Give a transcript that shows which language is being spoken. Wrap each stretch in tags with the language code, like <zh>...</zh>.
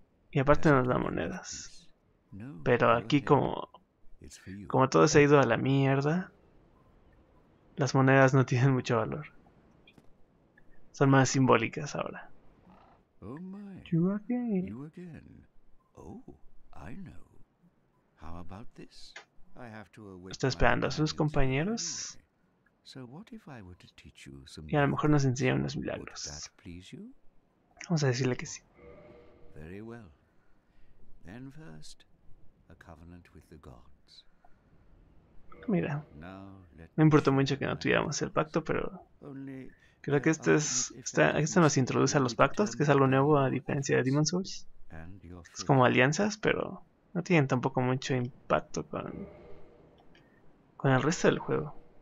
<es>Y aparte nos da monedas. Pero aquí como todo se ha ido a la mierda, las monedas no tienen mucho valor. Son más simbólicas ahora.</es> <en>Oh my, you again. Oh, I know. How about this? I have to await.</en> <es>¿Está esperando a sus compañeros?</es> <en>So what if I were to teach you some?</en> <es>Y a lo mejor nos enseña unos milagros. Vamos a decirle que sí.</es> <en>Very well. Then first, a covenant with the gods.</en> <es>Mira, no importa mucho que no tuviéramos el pacto, pero creo que esto nos introduce a los pactos, que es algo nuevo a diferencia de Demon's Souls. Es como alianzas, pero no tienen tampoco mucho impacto con el resto del juego.</es>